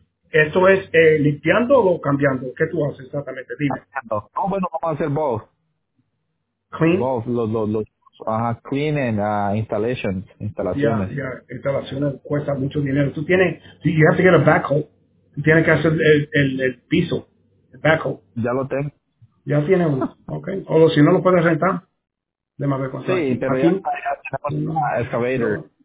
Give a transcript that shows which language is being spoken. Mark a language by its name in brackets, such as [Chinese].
[Spanish] ¿Esto es limpiando o cambiando? ¿Qué tú haces exactamente? Dime. No, bueno, vamos a hacer both. [English] Clean. Both, clean and installations. [Spanish] Instalaciones. Yeah, instalaciones cuesta mucho dinero. Tú tienes, [English] you have to get a backhoe. [Spanish] Tienes que hacer el piso. [English] backhoe. [Spanish] Ya lo tengo. Ya tiene uno, okay. O si no, lo puedes rentar. De más de sí, pero aquí, ya tenemos un excavator.